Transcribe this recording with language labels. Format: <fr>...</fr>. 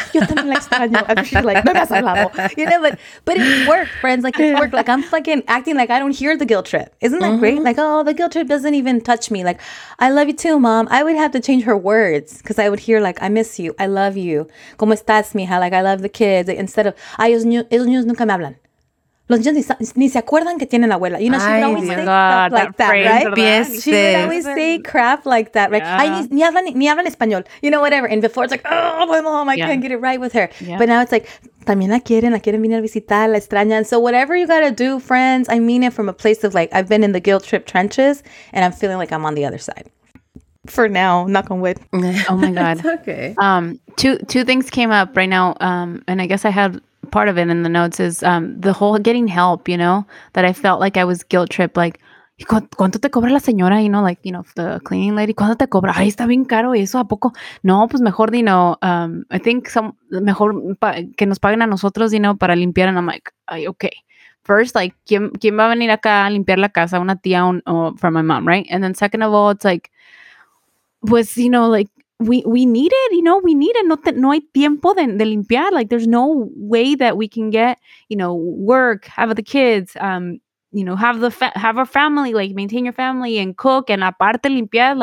<en>You know, but it worked, friends. Like it worked. Like I'm fucking acting like I don't hear the guilt trip. Isn't that great? Like, oh, the guilt trip doesn't even touch me. Like, I love you too, mom. I would have to change her words because I would hear like, I miss you. I love you.</en> <es>¿Cómo estás, mija?</es> <en>Like, I love the kids. Like, instead of,</en> <es>ellos niños nunca me hablan. Los niños ni se acuerdan que tienen abuela.</es> <en>You know, she would always say crap like that, right? She would always say crap like that, right?</en> <es>Ni hablan español.</es> <en>You know, whatever. And before it's like, oh, my mom, I can't get it right with her. Yeah. But now it's like,</en> <es>también la quieren venir a visitar, la extrañan.</es> <en>So whatever you got to do, friends, I mean it from a place of like, I've been in the guilt trip trenches and I'm feeling like I'm on the other side. For now, knock on wood. Oh my God. It's okay. Two things came up right now. And I guess I had part of it in the notes is the whole getting help, you know, that I felt like I was guilt tripped, like,</en> <es>¿cuánto te cobra la señora?</es> <en>You know, like, you know, the cleaning lady,</en> <es>¿cuánto te cobra? Ay, está bien caro eso, ¿a poco? No, pues mejor,</es> <en>you know, I think</en> <es>que nos paguen a nosotros, you know, para limpiar.</es> <en>And I'm like, ay, okay. First, like,</en> <es>¿quién va a venir acá a limpiar la casa? Una tía</es> <en>from my mom, right? And then second of all, it's like, pues, you know, like, We need it, you know, we need it.</en> <es>No hay tiempo de limpiar.</es> <en>Like, there's no way that we can get, you know, work, have the kids, you know, have our family, like, maintain your family and cook and</en> <es>aparte limpiar.</es>